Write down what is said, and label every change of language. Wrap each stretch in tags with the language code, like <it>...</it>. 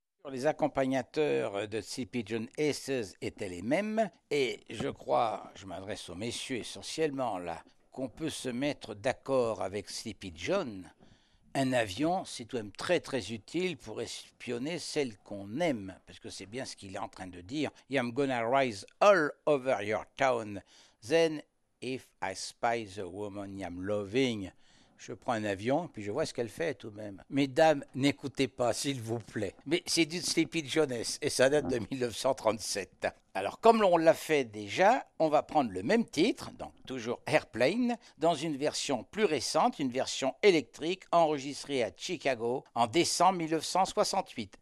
<fr>Les accompagnateurs de C.P. John Aces étaient les mêmes, et je crois, je m'adresse aux messieurs essentiellement là, qu'on peut se mettre d'accord avec C.P. John. Un avion, c'est tout de même très très utile pour espionner celle qu'on aime, parce que c'est bien ce qu'il est en train de dire.</fr> <en>I'm gonna rise all over your town, then if I spy the woman I'm loving.</en> <fr>Je prends un avion, puis je vois ce qu'elle fait tout de même. Mesdames, n'écoutez pas, s'il vous plaît. Mais c'est du Sleepy Johnness, et ça date de 1937. Alors, comme on l'a fait déjà, on va prendre le même titre, donc toujours Airplane, dans une version plus récente, une version électrique, enregistrée à Chicago en décembre 1968.</fr>